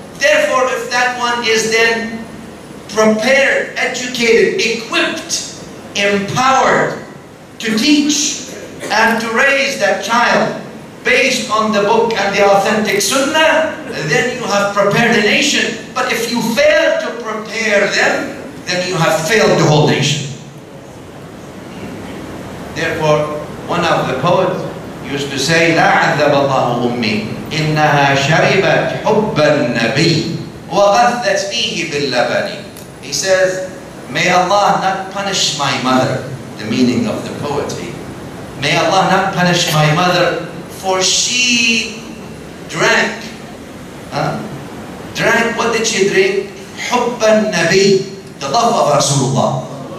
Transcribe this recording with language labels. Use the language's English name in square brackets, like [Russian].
[English] Therefore, if that one is then prepared, educated, equipped, empowered to teach and to raise that child, based on the book and the authentic sunnah, then you have prepared a nation. But if you fail to prepare them, then you have failed the whole nation. Therefore, one of the poets used to say, [Arabic] لا عذب الله أمي إنها شربت حب النبي وغذت فيه باللبن. [English] He says, may Allah not punish my mother, the meaning of the poetry. May Allah not punish my mother, for she drank, drank, what did she drink? [Arabic] حب النبي, [English] the love of Rasulullah.